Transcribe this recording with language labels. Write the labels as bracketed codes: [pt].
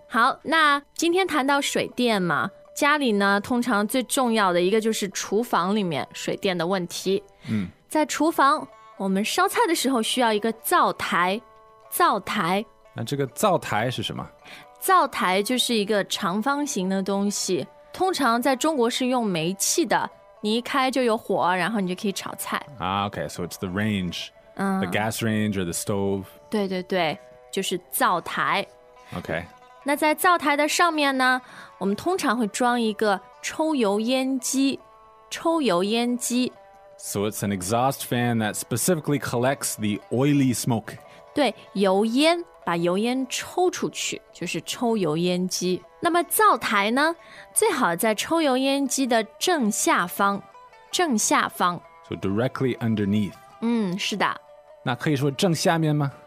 [zh] 好，那今天谈到水电嘛，家里呢通常最重要的一个就是厨房里面水电的问题。在厨房，我们烧菜的时候需要一个灶台。那这个灶台是什么？灶台就是一个长方形的东西，通常在中国是用煤气的，你一开就有火，然后你就可以炒菜。OK，so [en] it's the range, the gas range or the stove. [zh] 对，就是灶台。 [en] OK， [zh] 那在灶台的上面呢，我们通常会装一个抽油烟机。抽油烟机。So [en] it's an exhaust fan that specifically collects the oily smoke. [zh] 对，油烟，把油烟抽出去，就是抽油烟机。那么灶台呢，最好在抽油烟机的正下方，正下方。 [en] So directly underneath. [zh] 嗯，是的。那可以说正下面吗？